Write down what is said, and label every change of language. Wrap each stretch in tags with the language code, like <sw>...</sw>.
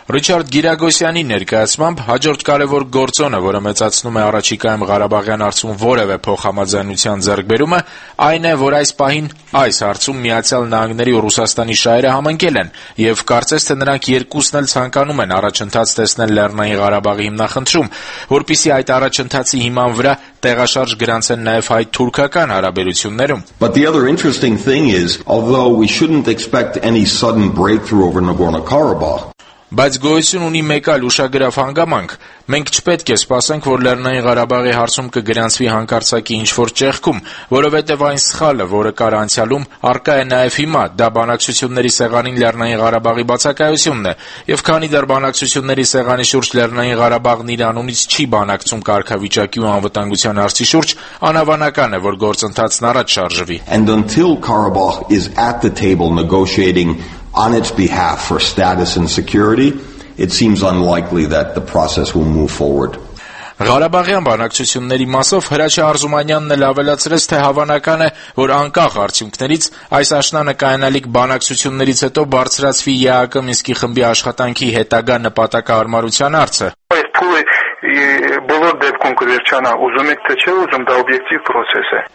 <hy>Ռիչարդ Գիրագոսյանի ներկայացմամբ հաջորդ կարևոր գործոնը, որը մեծացնում է առաջիկայում Ղարաբաղյան հարցում որևէ փոխհամաձայնության ձեռքբերումը, այն է, որ այս պահին այս հարցում Միացյալ Նահանգների ու Ռուսաստանի շահերը համընկել են, և կարծես թե նրանք երկուսն էլ ցանկանում են առաջընթաց տեսնել Լեռնային Ղարաբաղի հիմնախնդրում, որպիսի այդ առաջընթացի հիման վրա տեղաշարժ գրանցեն նաև հայ-թուրքական հարաբերություններում։</hy> <en>But the other interesting thing is, although we shouldn't expect any sudden breakthrough over Nagorno-Karabakh,</en> <hy>բայց գոյություն ունի մեկ այլ ուշագրավ հանգամանք. Մենք չպետք է սպասենք, որ Լեռնային Ղարաբաղի հարցում կգրանցվի հանկարծակի ինչ-որ ճեղքում, որովհետև այն սխալը, որը կար անցյալում, առկա է նաև հիմա, դա բանակցությունների սեղանին Լեռնային Ղարաբաղի բացակայությունն է, և քանի դեռ բանակցությունների սեղանի շուրջ Լեռնային Ղարաբաղն իր անունից չի բանակցում կարգավիճակի ու անվտանգության հարցի շուրջ, անավանական է, որ գործընթացն առաջ շարժվի։</hy> <en>And until Karabakh is at the table negotiating on its behalf for status and security, it seems unlikely that the process will move forward.</en> <hy>Ղարաբաղյան բանակցությունների մասով Հրաչի Արզումանյանն էլ ավելացրեց, թե հավանական է, որ անկախ արդյունքներից այս աշնանը կայանալիք բանակցություններից հետո բարձրացվի ԵԱԿ Մինսկի խմբի աշխատանքի հետագա նպատակահարմարության հարցը։ Բոլոր դեպքում կվերջանա, ուզում եք թե չէ, ուզում, դա օբյեկտիվ պրոցես է։</hy>